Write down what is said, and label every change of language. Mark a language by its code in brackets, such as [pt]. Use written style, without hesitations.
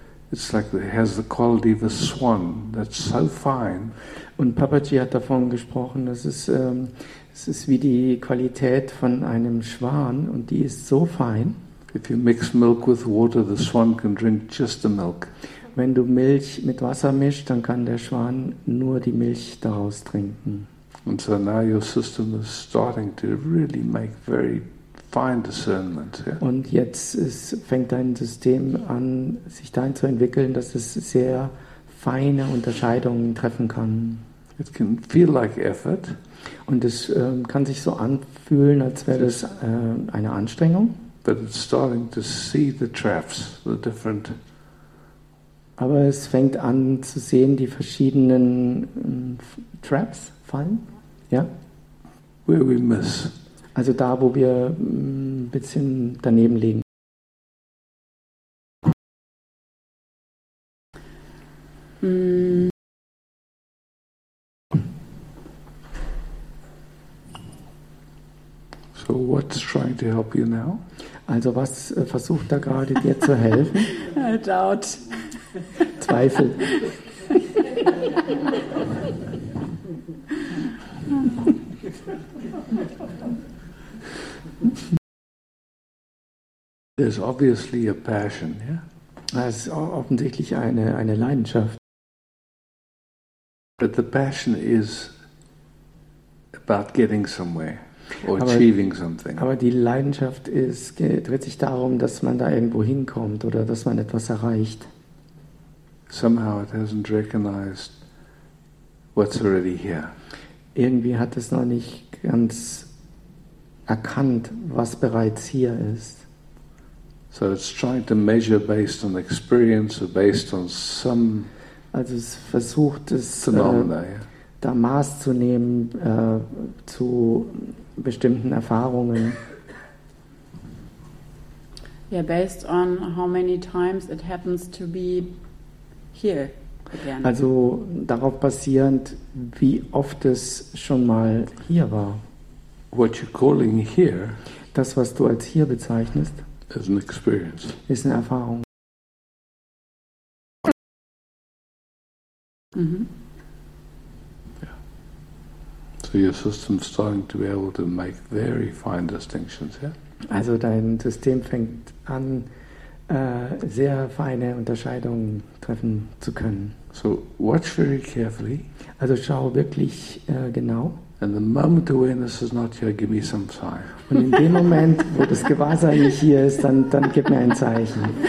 [en] It's like it has the quality of a swan. That's so fine. [de] Und Papaji hat davon gesprochen, dass es ist wie die Qualität von einem Schwan und die ist so fein. [en] If you mix milk with water, the swan can drink just the milk. [de] Wenn du Milch mit Wasser mischst, dann kann der Schwan nur die Milch daraus trinken. [en] And so now your system is starting to really make very fine discernments. Yeah? [de] Und jetzt fängt dein System an, sich dahin zu entwickeln, dass es sehr feine Unterscheidungen treffen kann. [en] It can feel like effort. [de] Und es kann sich so anfühlen, als wäre das eine Anstrengung. [en] But it's starting to see the traps, the different. [de] Aber es fängt an zu sehen, die verschiedenen Traps, Fallen, ja? [en] Where we miss. [de] Also da, wo wir ein bisschen daneben liegen. [en] So what's trying to help you now? [de] Also was versucht da gerade dir zu helfen? [en] I doubt. [de] Zweifel. [en] There's obviously a passion, yeah? [de] Es ist offensichtlich eine Leidenschaft. [en] But the passion is about getting somewhere or achieving something. [de] Aber die Leidenschaft dreht sich darum, dass man da irgendwo hinkommt oder dass man etwas erreicht. [en] Somehow it hasn't recognized what's already here. [de] Irgendwie hat es noch nicht ganz erkannt, was bereits hier ist. [en] So it's trying to measure based on experience or based on some. [de] Also es versucht es [en] phenomena, yeah. [de] Da Maß zu nehmen zu bestimmten Erfahrungen. [en] Yeah, based on how many times it happens to be here again. [de] Also darauf basierend, wie oft es schon mal hier war. [en] What you're calling here, [de] das was du als hier bezeichnest, [en] is an experience. [de] Ist eine Erfahrung. Mhm. [en] So your system starting to be able to make very fine distinctions, yeah? [de] Also dein System fängt an, sehr feine Unterscheidungen treffen zu können. [en] So watch very carefully. [de] Also schau wirklich genau. [en] And the moment awareness is not here, give me some sign. [de] Und in dem Moment, wo das Gewahrsein nicht hier ist, dann gib mir ein Zeichen.